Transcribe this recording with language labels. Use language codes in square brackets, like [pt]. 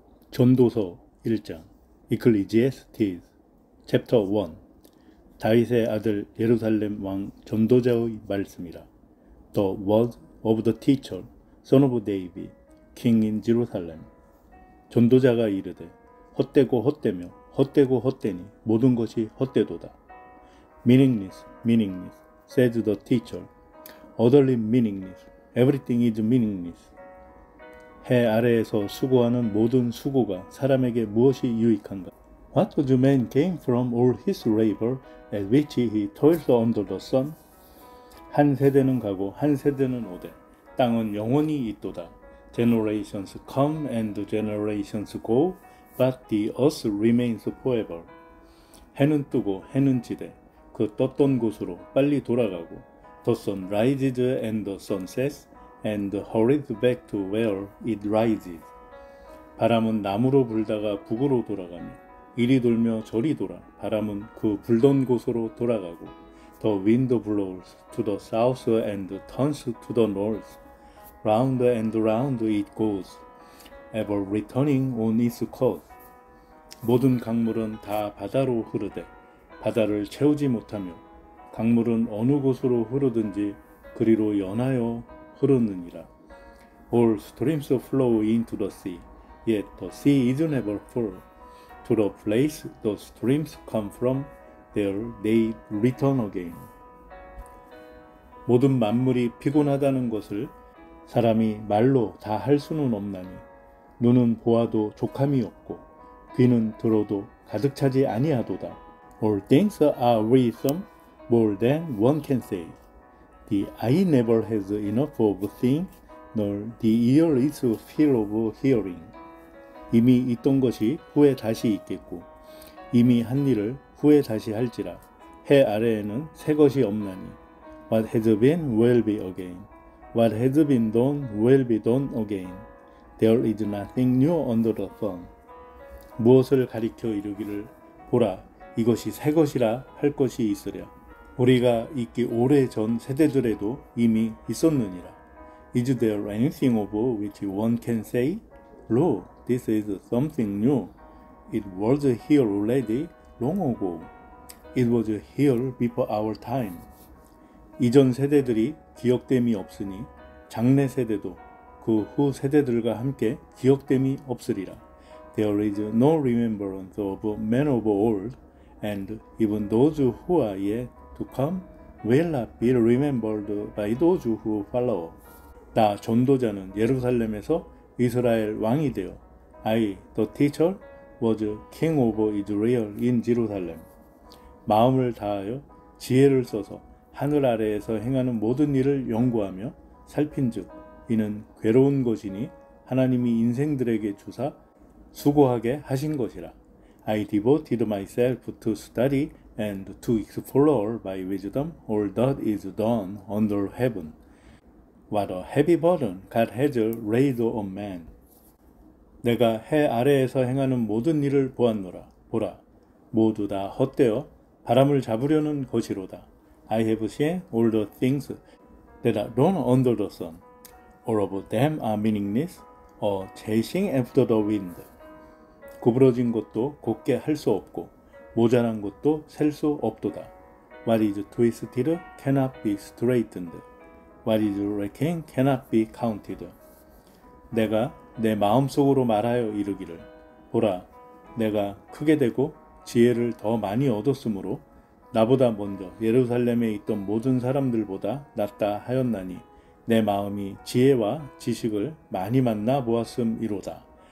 [ko] 전도서 1장, [en] 이클리지에스티스, 챕터 1, [ko] 다윗의 아들 예루살렘 왕 전도자의 말씀이라. [en] The word of the teacher, son of David, king in Jerusalem. [ko] 전도자가 이르되, 헛되고 헛되며, 헛되고 헛되니 모든 것이 헛되도다. [en] Meaningless, meaningless, says the teacher. Utterly meaningless, everything is meaningless. [ko] 해 아래에서 수고하는 모든 수고가 사람에게 무엇이 유익한가? [en] What does a man gain from all his labor at which he toils under the sun? [ko] 한 세대는 가고 한 세대는 오되 땅은 영원히 있도다. [en] Generations come and generations go, but the earth remains forever. [ko] 해는 뜨고 해는 지되 그 떴던 곳으로 빨리 돌아가고 [en] The sun rises and the sun sets. And hurries back to where it rises. [ko] 바람은 남으로 불다가 북으로 돌아가며 이리 돌며 저리 돌아 바람은 그 불던 곳으로 돌아가고 [en] The wind blows to the south and turns to the north. Round and round it goes, ever returning on its course. [ko] 모든 강물은 다 바다로 흐르되 바다를 채우지 못하며 강물은 어느 곳으로 흐르든지 그리로 연하여 흐르느니라. [en] All streams flow into the sea, yet the sea is never full. To the place the streams come from, there they return again. [ko] 모든 만물이 피곤하다는 것을 사람이 말로 다할 수는 없나니, 눈은 보아도 족함이 없고, 귀는 들어도 가득 차지 아니하도다. [en] All things are wearisome more than one can say. The eye never has enough of seeing, nor the ear is filled of hearing. [ko] 이미 있던 것이 후에 다시 있겠고, 이미 한 일을 후에 다시 할지라. 해 아래에는 새 것이 없나니, [en] What has been will be again. What has been done will be done again. There is nothing new under the sun. [ko] 무엇을 가리켜 이르기를, 보라, 이것이 새 것이라 할 것이 있으랴. 우리가 있기 오래 전 세대들에도 이미 있었느니라. [en] Is there anything of which one can say? Lo, this is something new. It was here already long ago. It was here before our time. [ko] 이전 세대들이 기억됨이 없으니 장래 세대도 그 후 세대들과 함께 기억됨이 없으리라. [en] There is no remembrance of men of old, and even those who are yet to come will not be remembered by those who follow. [ko] 나 전도자는 예루살렘에서 이스라엘 왕이 되어 [en] I, the teacher, was king of Israel in Jerusalem. [ko] 마음을 다하여 지혜를 써서 하늘 아래에서 행하는 모든 일을 연구하며 살핀즉 이는 괴로운 것이니 하나님이 인생들에게 주사 수고하게 하신 것이라. [en] I devoted myself to study and to explore by wisdom all that is done under heaven. What a heavy burden God has laid on man. [ko] 내가 해 아래에서 행하는 모든 일을 보았노라. 보라, 모두 다 헛되어 바람을 잡으려는 것이로다. [en] I have seen all the things that are done under the sun. All of them are meaningless, a chasing after the wind. [ko] 구부러진 것도 곱게 할 수 없고 모자란 것도 셀 수 없도다. [en] What is twisted cannot be straightened. What is reckoned cannot be counted. [ko] 내가 내 마음속으로 말하여 이르기를 보라, 내가 크게 되고 지혜를 더 많이 얻었으므로 나보다 먼저 예루살렘에 있던 모든 사람들보다 낫다 하였나니 내 마음이 지혜와 지식을 많이 만나 보았음이로다.